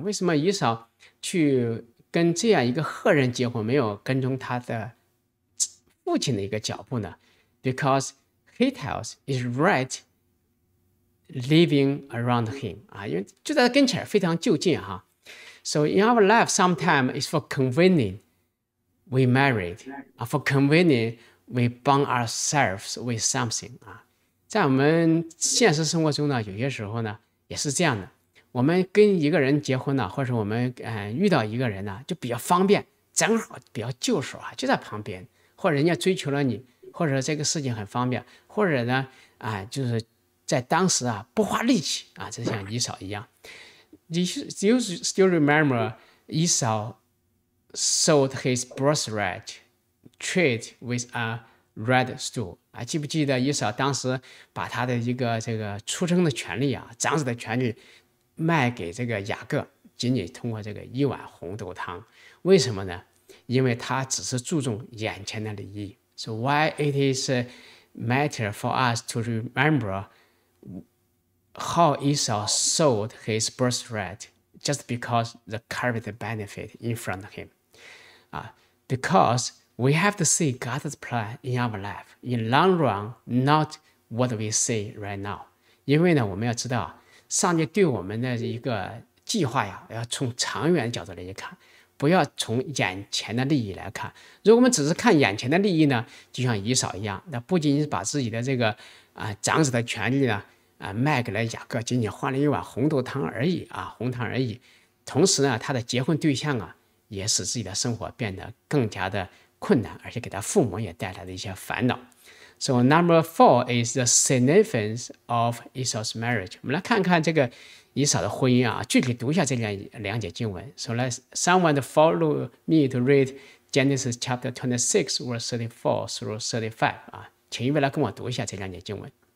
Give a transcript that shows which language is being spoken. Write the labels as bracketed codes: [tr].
[zh] 为什么以扫去跟这样一个赫人结婚，没有跟踪他的父亲的一个脚步呢？ [en] Because Hittites is right living around him. [zh] 因为就在跟前，非常就近啊。 [en] So in our life, sometimes it's for convenient we married, for convenient we bond ourselves with something. [zh] 在我们现实生活中呢，有些时候呢也是这样的。我们跟一个人结婚呢，或者我们遇到一个人呢，就比较方便，正好比较就手啊，就在旁边，或者人家追求了你，或者这个事情很方便，或者呢就是在当时啊不花力气啊，就像以扫一样。 [en] You still remember Esau sold his birthright trade with a red stool. [zh] 记不记得以扫当时把他的一个这个出生的权利啊，长子的权利卖给这个雅各，仅仅通过这个一碗红豆汤。为什么呢？因为他只是注重眼前的利益。 [en] So why it is a matter for us to remember how Esau sold his birthright just because the current benefit in front of him. Because we have to see God's plan in our life. In long run, not what we see right now. [zh] 因为呢，我们要知道，上帝对我们的一个计划呀，要从长远角度来看，不要从眼前的利益来看。如果我们只是看眼前的利益呢，就像以扫一样，那不仅仅是把自己的这个长子的权利呢卖给了雅各，仅仅换了一碗红豆汤而已啊，红汤而已。同时呢，他的结婚对象啊，也使自己的生活变得更加的困难，而且给他父母也带来了一些烦恼。 [en] So number four is the significance of Esau's marriage. [zh] 我们来看看这个以扫的婚姻啊，具体读一下这两节经文。 [en] So let someone follow me to read Genesis chapter 26, verse 34 through 35. [zh] 啊，请一位来跟我读一下这两节经文。